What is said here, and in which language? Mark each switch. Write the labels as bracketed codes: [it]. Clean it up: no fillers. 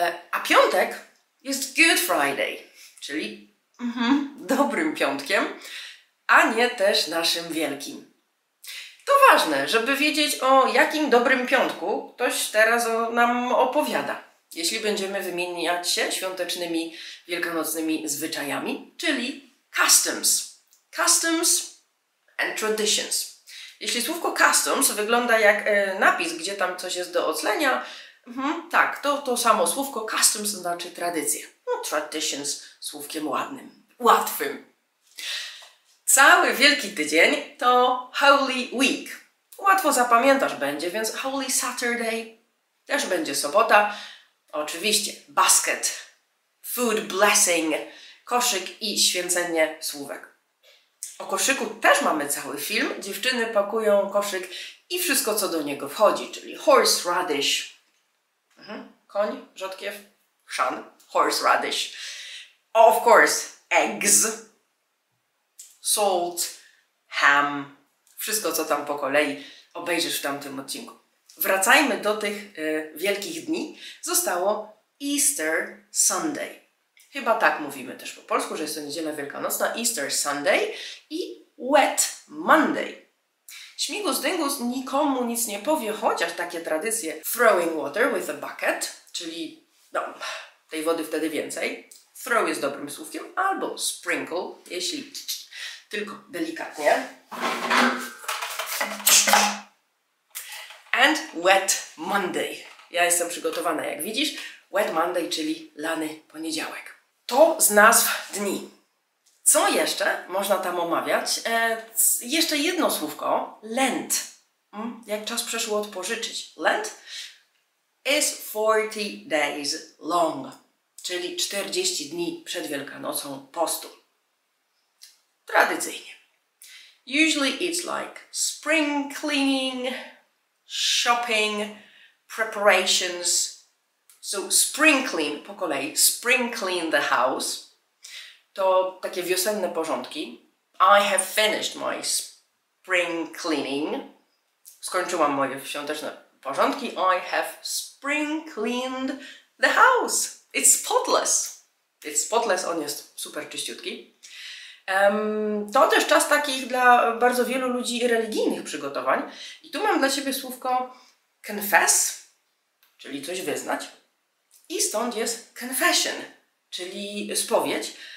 [pl] A piątek jest Good Friday, czyli dobrym piątkiem, a nie też naszym wielkim. To ważne, żeby wiedzieć, o jakim dobrym piątku ktoś teraz nam opowiada, jeśli będziemy wymieniać się świątecznymi, wielkanocnymi zwyczajami, czyli customs. [en] Customs and traditions. [pl] Jeśli słówko customs wygląda jak napis, gdzie tam coś jest do oclenia, tak, to samo słówko customs znaczy tradycję. No, traditions, słówkiem ładnym, łatwym. Cały Wielki Tydzień to Holy Week. Łatwo zapamiętasz będzie, więc Holy Saturday też będzie sobota. Oczywiście basket, food blessing, koszyk i święcenie słówek. O koszyku też mamy cały film. Dziewczyny pakują koszyk i wszystko, co do niego wchodzi, czyli horseradish. Koń, rzodkiew, chrzan, [en] horseradish. Of course, eggs. Salt, ham, [pl] wszystko co tam po kolei obejrzysz w tamtym odcinku. Wracajmy do tych wielkich dni. Zostało Easter Sunday. Chyba tak mówimy też po polsku, że jest to niedziela wielkanocna. [en] Easter Sunday i Wet Monday. [pl] Śmigus dyngus nikomu nic nie powie, chociaż takie tradycje [en] throwing water with a bucket, [pl] czyli no, tej wody wtedy więcej. Throw jest dobrym słówkiem, albo sprinkle, jeśli... Tylko delikatnie. [en] And Wet Monday. [pl] Ja jestem przygotowana, jak widzisz. Wet Monday, czyli lany poniedziałek. To z nazw dni. Co jeszcze można tam omawiać? Jeszcze jedno słówko. Lent. Jak czas przeszło odpożyczyć. [en] Lent is 40 days long. [pl] Czyli 40 dni przed Wielkanocą postu. Tradycyjnie. [en] Usually it's like spring cleaning, shopping, preparations. So spring clean, [pl] po kolei, [en] spring clean the house. [pl] To takie wiosenne porządki. [en] I have finished my spring cleaning. [pl] Skończyłam moje świąteczne porządki. [en] I have spring cleaned the house. It's spotless. It's spotless, [pl] on jest super czyściutki. To też czas takich dla bardzo wielu ludzi religijnych przygotowań. I tu mam dla Ciebie słówko confess, czyli coś wyznać. I stąd jest confession, czyli spowiedź.